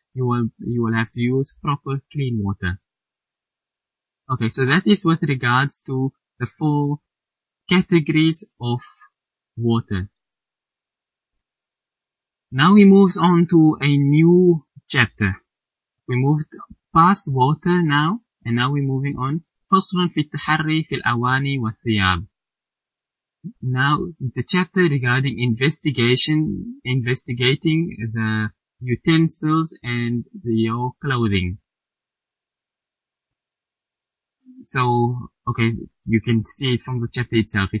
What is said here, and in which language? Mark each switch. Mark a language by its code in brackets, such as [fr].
[en] You will have to use proper clean water. Okay, so that is with regards to the four categories of water. Now we move on to a new chapter. We moved past water now, and now we're moving on. [ar] فصل في التحري في الأواني والثياب. [en] Now the chapter regarding investigating the utensils and your clothing. So okay, you can see it from the chapter itself.